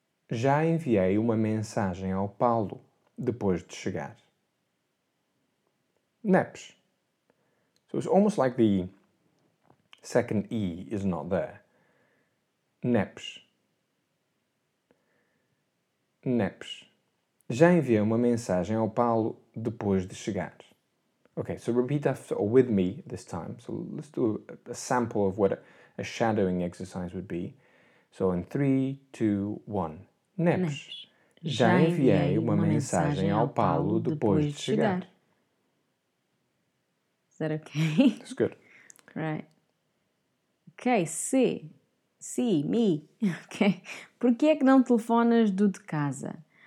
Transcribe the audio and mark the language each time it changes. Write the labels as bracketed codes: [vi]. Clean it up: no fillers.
[pt] Já enviei uma mensagem ao Paulo depois de chegar. Naps. [en] So it's almost like the second E is not there. Naps. [pt] Naps. Já enviei uma mensagem ao Paulo depois de chegar. [en] Okay, so repeat after or with me this time. So let's do a sample of what a shadowing exercise would be. So in 3, 2, 1. Neps. [pt] Já enviei uma mensagem ao Paulo depois de chegar. [en] Is that okay? That's good. Right. Okay, sim. Sim, me. Okay. [pt] Por que é que não telefonas do de casa?